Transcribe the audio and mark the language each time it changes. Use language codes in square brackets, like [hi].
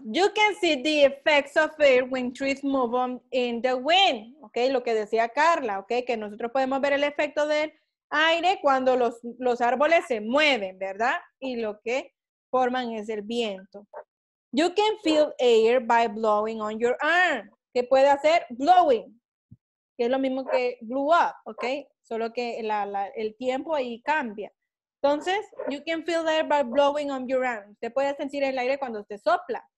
[en] You can see the effects of air when trees move on in the wind. [es] Ok, lo que decía Carla, ok, que nosotros podemos ver el efecto del aire cuando los árboles se mueven, ¿verdad? Y lo que forman es el viento. [en] You can feel air by blowing on your arm. [es] ¿Qué puede hacer? Blowing. Que es lo mismo que blew up, ok. Solo que el tiempo ahí cambia. [en] Entonces, you can feel the air by blowing on your arm. [es] Usted puede sentir el aire cuando usted sopla.